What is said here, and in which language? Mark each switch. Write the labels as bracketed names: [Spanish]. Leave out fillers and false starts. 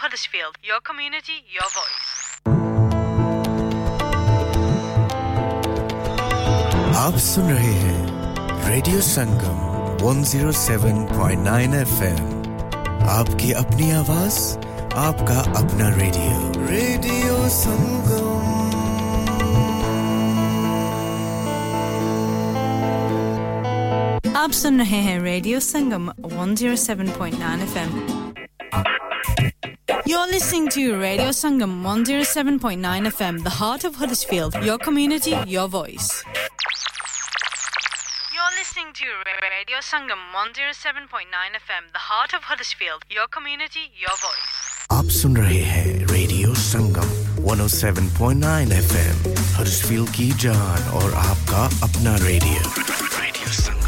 [English] Field, your community, your voice. [Hindi] आप सुन रहे हैं रेडियो संगम 107.9 FM. आपकी अपनी आवाज, आपका अपना रेडियो. रेडियो संगम. आप सुन रहे हैं radio Sangam 107.9 FM. [English] You're listening to Radio Sangam 107.9 FM, the heart of Huddersfield. Your community, your voice. You're listening to Radio Sangam 107.9 FM, the heart of Huddersfield. Your community, your voice. [Hindi] आप सुन रहे हैं Radio Sangam 107.9 FM, Huddersfield की जान और आपका अपना radio.